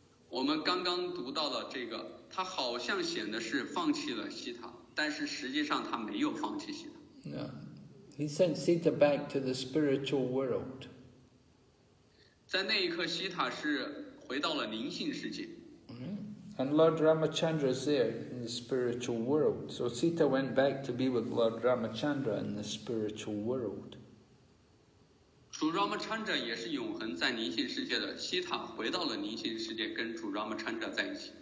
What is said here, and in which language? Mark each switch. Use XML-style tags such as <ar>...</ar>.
<zh>我们刚刚读到了这个，他好像显得是放弃了西塔，但是实际上他没有放弃西塔。</zh> <en>No, he sent Sita back to the spiritual world.</en> <zh>在那一刻，西塔是回到了灵性世界。</zh> <en>And Lord Ramachandra is there in the spiritual world. So Sita went back to be with Lord Ramachandra in the spiritual world.</en> <zh>主 Ramachandra 也是永恒在灵性世界的，西塔回到了灵性世界跟主 Ramachandra 在一起。</zh>